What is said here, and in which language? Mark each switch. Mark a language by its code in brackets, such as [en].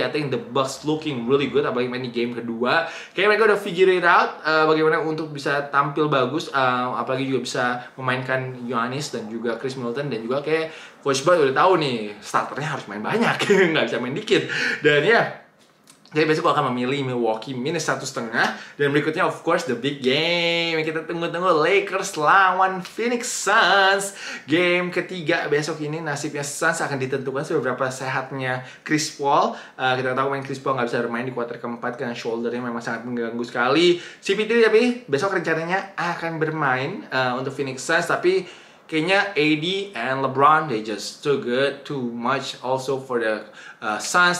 [en] I think the Bucks looking really good, [id] apalagi main di game kedua. Kayaknya mereka udah [en] figure it out [id] bagaimana untuk bisa tampil bagus. Apalagi juga bisa memainkan Giannis dan juga Chris Middleton. Dan juga kayak Coach Bud udah tahu nih, starternya harus main banyak. Gak bisa main dikit. Dan ya, yeah. Jadi besok gue akan memilih Milwaukee minus 1.5. Dan berikutnya [en] of course the big game [id] yang kita tunggu-tunggu, Lakers lawan Phoenix Suns. Game ketiga besok ini, nasibnya Suns akan ditentukan seberapa sehatnya Chris Paul. Kita tahu main Chris Paul gak bisa bermain di quarter keempat karena shoulder-nya memang sangat mengganggu sekali. CP3 tapi besok rencananya akan bermain untuk Phoenix Suns. Tapi kayaknya [en] AD and LeBron, they just too good, too much also for the Suns.